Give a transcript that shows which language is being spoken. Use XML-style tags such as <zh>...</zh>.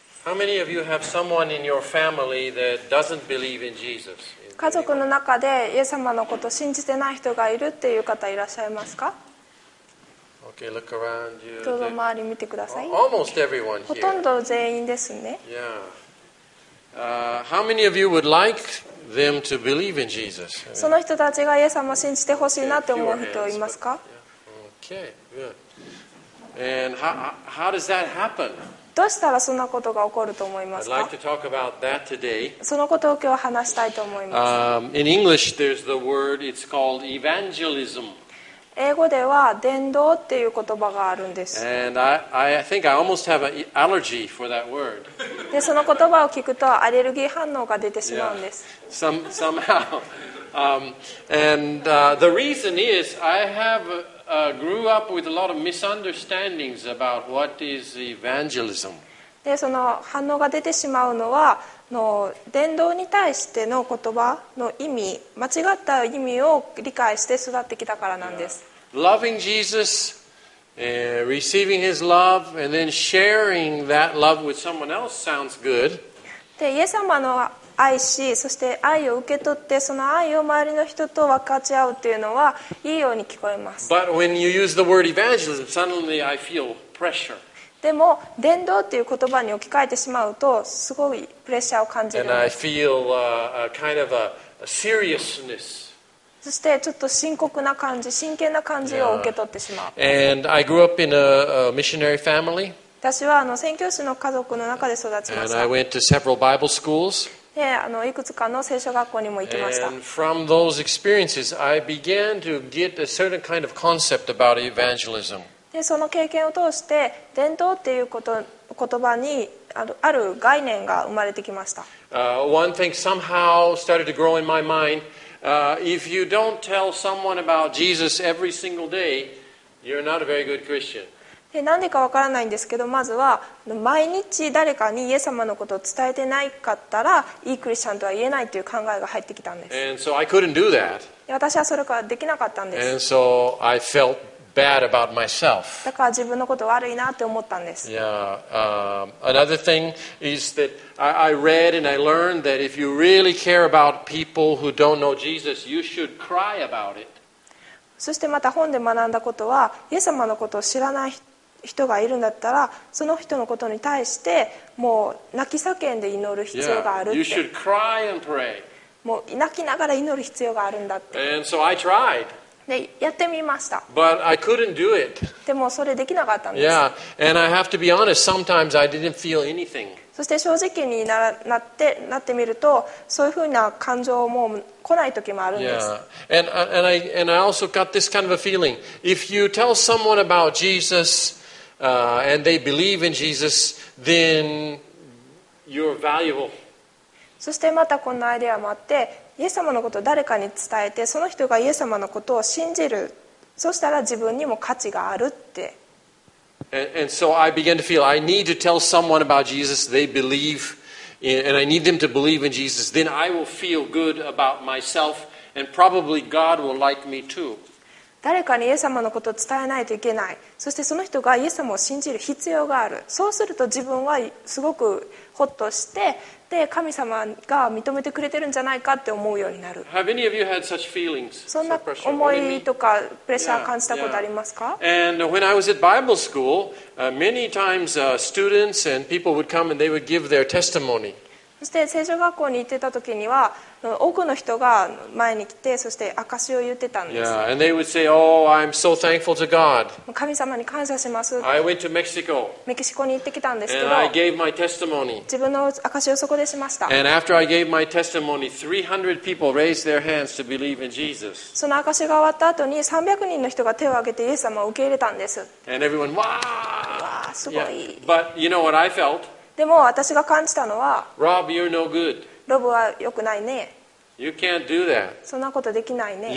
<en>How many of you have someone in your family that doesn't believe in Jesus?</en> <ja>家族の中でイエス様のことを信じてない人がいるっていう方いらっしゃいますか？</ja> <en>Okay, look around you.</en> <ja>どうぞ周り見てください。</ja> <en>Almost everyone here.</en> <ja>ほとんど全員ですね。</ja> <en>Yeah. How many of you would like them to believe in Jesus?</en> <ja>その人たちがイエス様を信じてほしいなって思う人いますか？</ja> <en>Okay, good. And how does that happen?</en> <ja>どうしたらそんなことが起こると思いますか、</ja> <en>like、</en> <ja>そのことを今日話したいと思います。</ja> <en>In English, there's the word, it's called evangelism.</en> <ja>英語では伝道っていう言葉があるんです。</ja> <en>And I think I almost have an allergy for that word.</en> <ja>で、その言葉を聞くとアレルギー反応が出てしまうんです。</ja> <en>Yeah. Somehow. The reason is I haveGrew up with a lot of misunderstandings about what is evangelism.</en> <ja>で、その反応が出てしまうのは、の伝道に対しての言葉の意味、間違った意味を理解して育ってきたからなんです。</ja> <en>Loving Jesus, receiving His love, and then sharing that love with someone else sounds good.</en> <ja>で、イエス様の愛し、そして愛を受け取って、その愛を周りの人と分かち合うというのはいいように聞こえます。</ja> <en>But when you use the word evangelism, suddenly I feel pressure.</en> <ja>でも、伝道という言葉に置き換えてしまうと、すごいプレッシャーを感じるんです。</ja> <en>And I feel a kind of a seriousness.</en> <ja>そして、ちょっと深刻な感じ、真剣な感じを受け取ってしまう。</ja> <en>And I grew up in a missionary family.</en> <ja>私は宣教師の家族の中で育ちました。</ja> <en>And I went to several Bible schools.</en> <ja>で、いくつかの聖書学校にも行きました。</ja> <en>And from those experiences, I began to get a certain kind of concept about evangelism.</en> <ja>で、その経験を通して伝道っていうこと、言葉にある概念が生まれてきました。</ja> <en>One thing somehow started to grow in my mind. If you don't tell someone about Jesus every single day, you're not a very good Christian.</en> <ja>なんでかわからないんですけど、まずは毎日誰かにイエス様のことを伝えてないかったらいいクリスチャンとは言えないという考えが入ってきたんです。</ja> <en>And so I couldn't do that.</en> <ja>私はそれができなかったんです。</ja> <en>And so I felt bad about myself.</en> <ja>だから自分のこと悪いなって思ったんです。</ja> <en>Yeah. Another thing is that I read and I learned that if you really care about people who don't know Jesus, you should cry about it.</en> <ja>そしてまた本で学んだことは、イエス様のことを知らない人がいるんだったら、その人のことに対してもう泣き叫んで祈る必要があるって。</ja> <en>Yeah, you should cry and pray.</en> <ja>もう泣きながら祈る必要があるんだって。</ja> <en>And so I tried.</en> <ja>で、やってみました。</ja> <en>But I couldn't do it.</en> <ja>でもそれできなかったんです。</ja> <en>Yeah, and I have to be honest. Sometimes I didn't feel anything.</en> <ja>そして正直に なってみると、そういうふうな感情も来ない時もあるんです。</ja> <en>Yeah, and I also got this kind of a feeling. If you tell someone about Jesus. And they believe in Jesus, then you're valuable.</en> <ja>そしてまたこんなアイデアもあって、イエス様のことを誰かに伝えて、その人がイエス様のことを信じる。そしたら自分にも価値があるって。</ja> <en>And so I began to feel I need to tell someone about Jesus. They believe, and I need them to believe in Jesus. Then I will feel good about myself, and probably God will like me too.</en> <ja>誰かにイエス様のことを伝えないといけない。そしてその人がイエス様を信じる必要がある。そうすると自分はすごくホッとして、で神様が認めてくれてるんじゃないかって思うようになる。</ja> <en>Have any of you had such feelings?</en> <ja>そんな思いとかプレッシャー感じたことありますか？</ja> <en>And when I was at Bible school, many times students and people would come and they would give their testimony.</en> <ja>そして聖書学校に行ってた時には多くの人が前に来てそして証しを言ってたんです。</ja> <en>Yeah, and they would say, "Oh, I'm so thankful to God."</en> <ja>神様に感謝します。</ja> <en>I went to Mexico.</en> <ja>メキシコに行ってきたんですけど。</ja> <en>And I gave my testimony.</en> <ja>自分の証しをそこでしました。</ja> <en>And after I gave my testimony, 300 people raised their hands to believe in Jesus.</en> <ja>その証しが終わった後に300人の人が手を挙げてイエス様を受け入れたんです。</ja> <en>And everyone, wow!</en> <ja>わあ、すごい。</ja> <en>Yeah. But you know what I felt?</en> <ja>でも私が感じたのは、</ja> <en>Rob, you're no good.</en> <ja>ロブは良くないね。</ja> <en>You can't do that.</en> <ja>そんなことできないね。</ja>